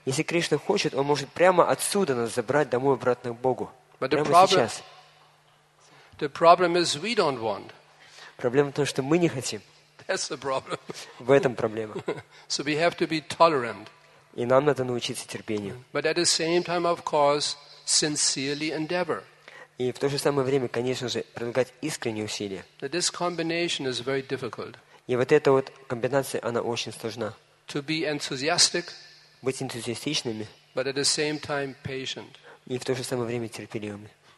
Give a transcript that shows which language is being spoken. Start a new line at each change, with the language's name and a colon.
Russian: Если Кришна хочет, он может прямо отсюда нас забрать домой обратно к Богу.
English: But the problem is we don't want.
Russian: Проблема в том, что мы не хотим.
English: That's the problem.
Russian: В этом проблема.
English: So we have to be tolerant.
Russian: И нам надо научиться терпению.
English: But at the same time, of course, sincerely endeavor.
Russian: И в то же самое время, конечно же, прилагать искренние усилия.
English: That this combination is very difficult.
Russian: И вот эта вот комбинация, она очень сложна.
English: To be enthusiastic.
Russian: Быть энтузиастичными.
English: But at the same time, patient.
Russian: И в то же самое время терпеливыми.